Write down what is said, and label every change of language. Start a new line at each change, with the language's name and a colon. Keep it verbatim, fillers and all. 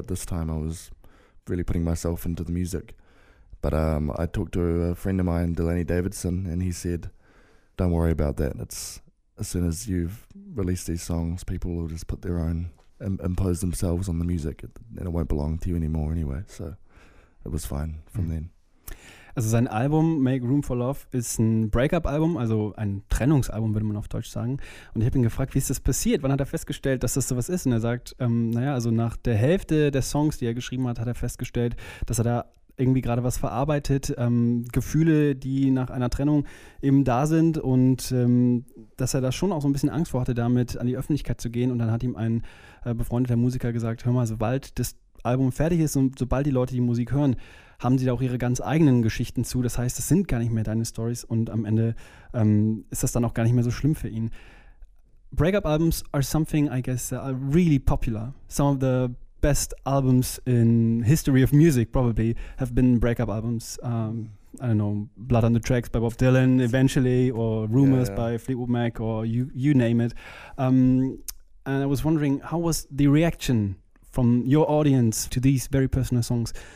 English: But this time I was really putting myself into the music. But um, I talked to a friend of mine, Delaney Davidson, and he said, "Don't worry about that. It's as soon as you've released these songs, people will just put their own." impose themselves on the music and it won't belong to you anymore anyway, so it was fine from then.
German: Also sein Album Make Room for Love ist ein Breakup-Album, also ein Trennungsalbum würde man auf Deutsch sagen, und ich habe ihn gefragt, wie ist das passiert, wann hat er festgestellt, dass das sowas ist, und er sagt, ähm, naja, also nach der Hälfte der Songs, die er geschrieben hat, hat er festgestellt, dass er da irgendwie gerade was verarbeitet, ähm, Gefühle, die nach einer Trennung eben da sind, und ähm, dass er da schon auch so ein bisschen Angst vor hatte, damit an die Öffentlichkeit zu gehen, und dann hat ihm ein äh, befreundeter Musiker gesagt, hör mal, sobald das Album fertig ist und sobald die Leute die Musik hören, haben sie da auch ihre ganz eigenen Geschichten zu, das heißt, das sind gar nicht mehr deine Storys, und am Ende ähm, ist das dann auch gar nicht mehr so schlimm für ihn.
English: breakup albums are something, I guess, that are really popular. Some of the best albums in history of music probably have been breakup albums. Um, I don't know, Blood on the Tracks by Bob Dylan eventually, or Rumors yeah, yeah. by Fleetwood Mac, or you you name it. Um, and I was wondering, how was the reaction from your audience to these very personal songs?